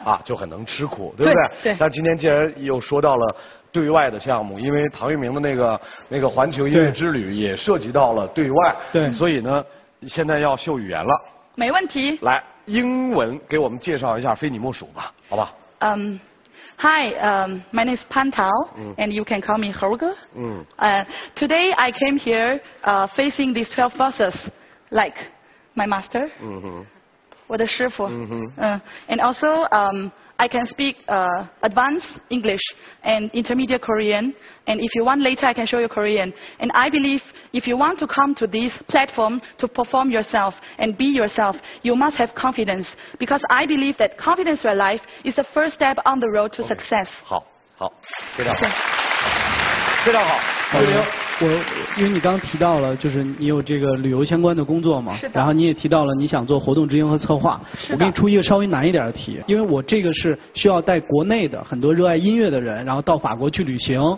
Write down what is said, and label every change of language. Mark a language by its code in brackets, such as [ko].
[zh] 啊，就很能吃苦，对不对？对。那今天既然又说到了对外的项目，因为唐玉明的那个环球音乐之旅也涉及到了对外，对，所以呢，现在要秀语言了。没问题。来，英文给我们介绍一下《非你莫属》吧，好吧？嗯。 [en] Hi, my name is Pan Tao, and you can call me Helga. Today I came here facing these 12 bosses, like my master, [zh] 我的师傅 [en] and also I can speak advanced English and intermediate Korean, and if you want later I can show you Korean. And I believe if you want to come to this platform to perform yourself and be yourself, you must have confidence. Because I believe that confidence in your life is the first step on the road to success. [zh] 好，好，非常好，非常好。我因为你刚提到了，就是你有这个旅游相关的工作嘛，然后你也提到了你想做活动执行和策划。我给你出一个稍微难一点的题，因为我这个是需要带国内的很多热爱音乐的人，然后到法国去旅行。